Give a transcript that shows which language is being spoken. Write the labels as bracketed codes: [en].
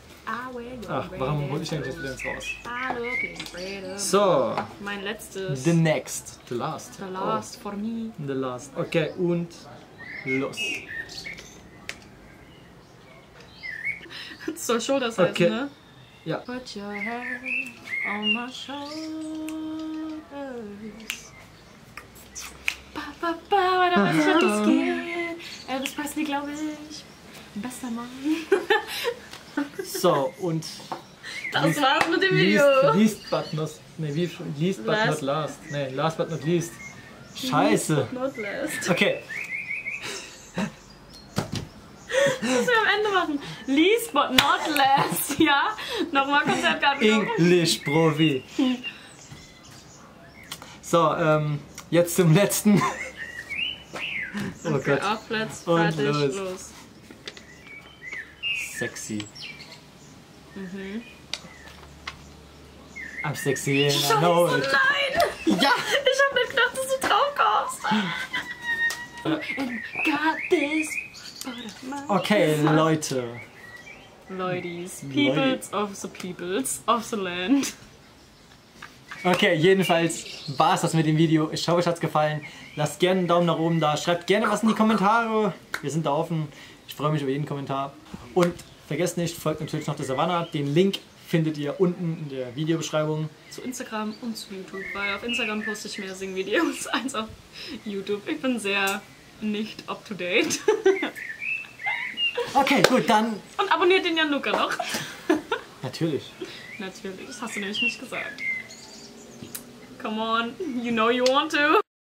[de] Ach, warum hol ich denn das wieder ins Haus? So. Mein letztes. [en] The next. The last. The last for me. The last. [de] Okay, und los. Das soll Show das heißen, okay. Ne? Ja. [en] Put your hand on my shoulders. [de] Ba, ba, ba, da weiß ich, wie das geht. Elvis Presley, glaube ich. Bester Mann. So, und... Das least, war's mit dem Video. [en] Least but not last. Nee, last but not least. Scheiße. Least but not last. Okay. [de] Müssen wir am Ende machen. [en] Least but not last, [de] ja? Nochmal Konzeptkarte. English, Profi. So, jetzt zum letzten. Oh okay, Gott. Auf Platz, fertig, los. [en] Sexy. Mhm. I'm sexy and I know it. [de] Scheiße, nein! Ja! Ich hab nicht gedacht, dass du drauf kommst. [en] And got this. [de] Okay, Leute. Leuties. [en] Peoples of the peoples of the land. [de] Okay, jedenfalls war es das mit dem Video. Ich hoffe, euch hat es gefallen. Lasst gerne einen Daumen nach oben da. Schreibt gerne was in die Kommentare. Wir sind da offen. Ich freue mich über jeden Kommentar. Und vergesst nicht, folgt natürlich noch der Savannah. Den Link findet ihr unten in der Videobeschreibung. Zu Instagram und zu YouTube, weil auf Instagram poste ich mehr Sing-Videos als auf YouTube. Ich bin sehr nicht up-to-date. Okay, gut, dann... Und abonniert den Gianluca noch. Natürlich. Natürlich, das hast du nämlich nicht gesagt. [en] Come on, you know you want to.